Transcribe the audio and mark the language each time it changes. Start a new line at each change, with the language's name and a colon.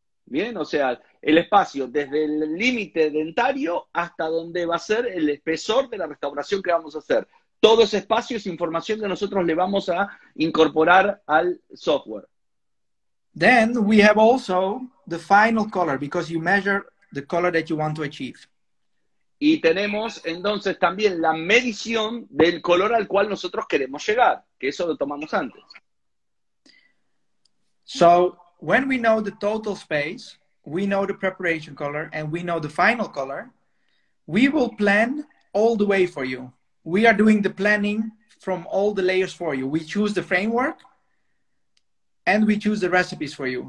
Spanish: Bien, o sea, el espacio desde el límite dentario hasta donde va a ser el espesor de la restauración que vamos a hacer. Todo ese espacio es información que nosotros le vamos a incorporar al software.
English: Then we have also the final color, because you measure the color that you want to achieve.
Spanish: Y tenemos entonces también la medición del color al cual nosotros queremos llegar, que eso lo tomamos antes.
English: So when we know the total space, we know the preparation color, and we know the final color, we will plan all the way for you. We are doing the planning from all the layers for you. We choose the framework and we choose the recipes for you.